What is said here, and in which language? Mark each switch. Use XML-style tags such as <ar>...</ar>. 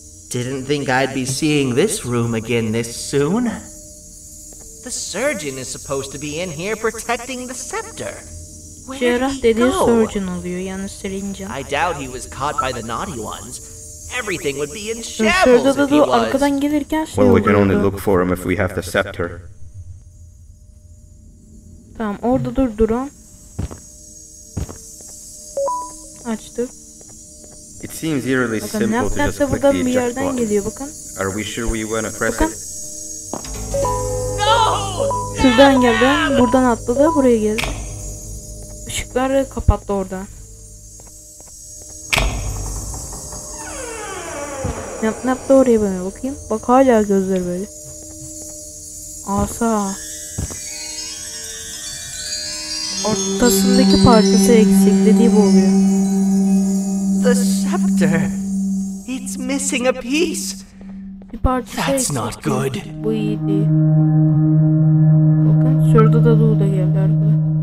<en>Didn't think I'd be seeing this room again this soon. The surgeon is supposed to be in here protecting the scepter.</en> <tr>Cerrah dediği surgeon oluyor, yani syringe.</tr> <en>I doubt he was caught by the naughty ones. Everything would be in shambles if he was.</en> <tr>Arkadan gelirken</tr> <en>şey. Well, we can only look for him if we have the scepter.</en> <tr>Tamam, orada dur duran. Açtık.</tr> <en>It seems eerily simple to just click the eject button. Are we sure we want to press it? No!</en> <tr>Şuradan geldi, buradan atladı, buraya geldi. Işıkları kapattı orada. Nap da oraya böyle bakayım. Bak hala gözler böyle. Asa. Ortasındaki parçası eksik dediği bu oluyor.</tr> <en>The scepter, it's missing a piece. That's not good.</en> <tr>Bu iyi değil. Bakın, şurada da Doğu da geldi arkada.</tr>